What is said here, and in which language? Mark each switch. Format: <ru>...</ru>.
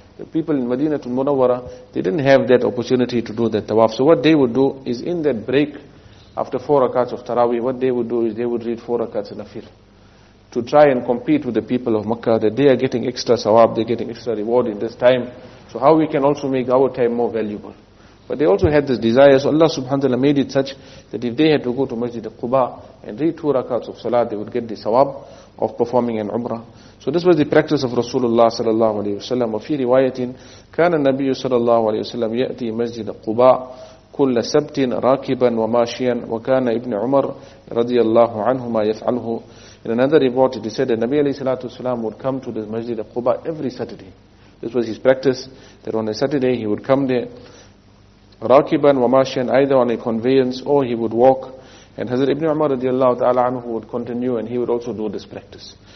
<en>The people in Madinatul Munawwara, they didn't have that opportunity to do that tawaf. So what they would do is in that break, after four rakats of Taraweeh, what they would do is they would read four rakats in Nafil to try and compete with the people of Makkah, that they are getting extra sawab, they're getting extra reward in this time. So how we can also make our time more valuable. But they also had this desire, so Allah subhanahu wa ta'ala made it such that if they had to go to Masjid Quba and read two rakats of salat, they would get the sawab of performing an umrah. So this was the practice of Rasulullah sallallahu alayhi wa sallam.</en> <ar>وفي رواية كان النبي صلى الله عليه وسلم يأتي مسجد قباء كل سبت راكبا وماشيا وكان ابن عمر رضي الله عنهما يفعله.</ar> <en>In another report it is said that Nabi alayhi salatu wasalam would come to the Masjid Quba every Saturday. This was his practice, that on a Saturday he would come there</en> <ar>راكبا وماشيا,</ar> <en>either on a conveyance or he would walk. And Hazrat Ibn Umar radiallahu ta'ala anhu would continue, and he would also do this practice.</en>